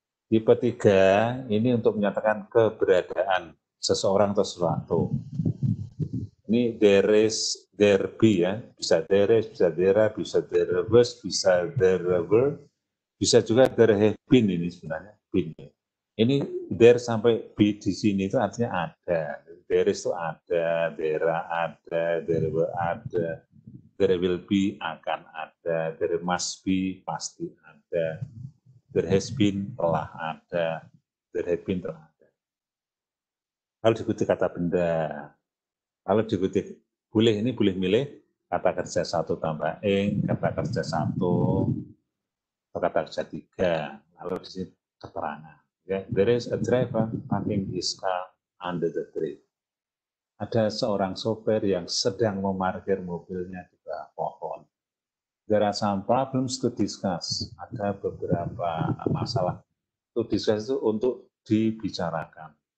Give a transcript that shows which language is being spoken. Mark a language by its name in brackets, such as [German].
[Indonesian] Tipe 3 ini untuk menyatakan keberadaan seseorang atau sesuatu. Ini [English] there is, there be ya. [Indonesian] Bisa [English] there is, bisa there are, bisa there was, bisa there were. [Indonesian] Bisa juga [English] there have been [Indonesian] ini sebenarnya. Been. Ini there sampai be di sini itu artinya ada. [English] There is [Indonesian] itu ada, [English] there are ada, there were ada. There will be, [Indonesian] akan ada. [English] There must be, [Indonesian] pasti ada. [English] There has been, [Indonesian] telah ada. [English] There have been, telah ada. [Indonesian] Kalau diikuti kata benda, kalau diikuti, boleh ini boleh milih, kata kerja satu tambah ing, kata kerja satu, atau kata kerja tiga. Lalu di sini keterangan. Okay. [English] There is a driver parking his car under the tree. [Indonesian] Ada seorang sopir yang sedang memarkir mobilnya di bawah pohon. [English] There are some problems to discuss. [Indonesian] Ada beberapa masalah. [English] To discuss [Indonesian] itu untuk dibicarakan.